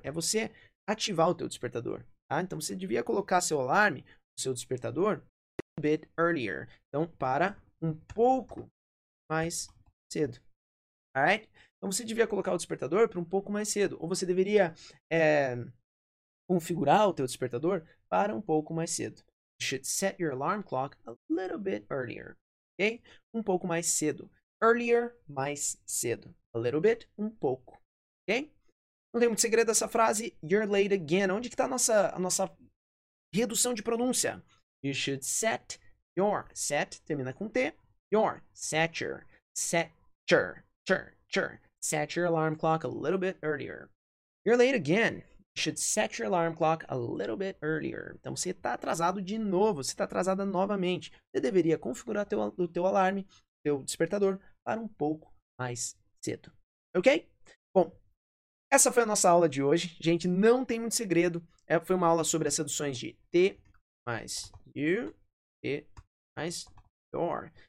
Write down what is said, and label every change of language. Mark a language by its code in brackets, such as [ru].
[pt] É você ativar o teu despertador. Ah, então, você devia colocar seu alarme, seu despertador, [en] a little bit earlier. [pt] Então, para um pouco mais cedo. [en] Alright? [pt] Então, você devia colocar o despertador para um pouco mais cedo. Ou você deveria configurar o teu despertador para um pouco mais cedo. [en] should set your alarm clock a little bit earlier. [pt] Okay? Um pouco mais cedo. Earlier, mais cedo. [en] A little bit, [pt] um pouco. [en] Okay? [pt] Não tem muito segredo essa frase. [en] You're late again. [pt] Onde que está a nossa redução de pronúncia? [en] You should set your. Set, [pt] termina com T. [en] Your. Set your. Set your. Chur, chur. Set your alarm clock a little bit earlier. You're late again. You should set your alarm clock a little bit earlier. [pt] Então, você está atrasado de novo. Você está atrasada novamente. Você deveria configurar o teu alarme, teu despertador, para um pouco mais cedo. Ok? Bom, essa foi a nossa aula de hoje. Gente, não tem muito segredo. Foi uma aula sobre as reduções de T mais you, T mais your.